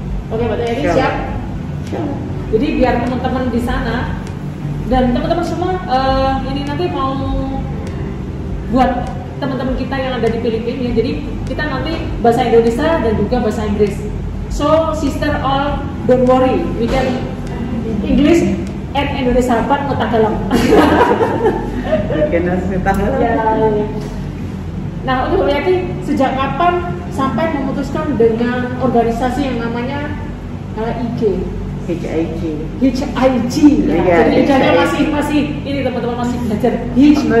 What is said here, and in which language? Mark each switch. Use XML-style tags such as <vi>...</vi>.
<id>Oke, Mbak Ayati siap? Siap. Jadi biar teman-teman di sana dan teman-teman semua ini nanti mau buat teman-teman kita yang ada di Filipina ya. Jadi kita nanti bahasa Indonesia dan juga bahasa Inggris.</id> <en>So, sister all don't worry. We can English and Indonesia but not Tagalog.</en> <id>Kena Tagalog. Ya. Nah, untuk Mbak Yati, sejak kapan sampai memutuskan dengan organisasi yang namanya HIG? HIG. Jadi ijanya masih ini teman-teman masih belajar HIG.</id>